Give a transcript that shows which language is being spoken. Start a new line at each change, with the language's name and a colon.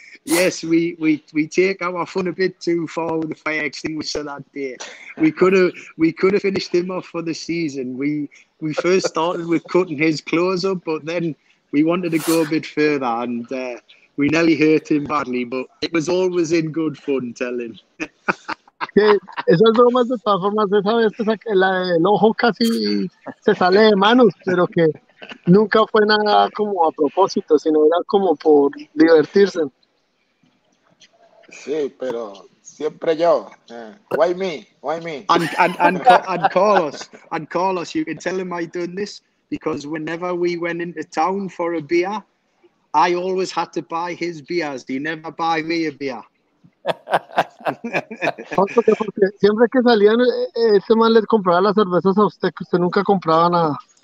English: Yes, we take our fun a bit too far with the fire extinguisher that day. We could have finished him off for the season. We first started with cutting his clothes up, but then we wanted to go a bit further and we nearly hurt him badly, but it was always in good fun, tell him.
Spanish: Que esas bromas de todas formas, esa vez el ojo casi se sale de manos, pero que nunca fue nada como a propósito, sino era como por divertirse. Sí, pero siempre yo.
English: Why me? Why me? And Carlos, you can tell him I done this, because whenever we went into town for a beer, I always had to buy his beers. He never buy me a beer.
Spanish: Porque siempre que salían ese man le compraba las cervezas a usted, que usted nunca compraba nada.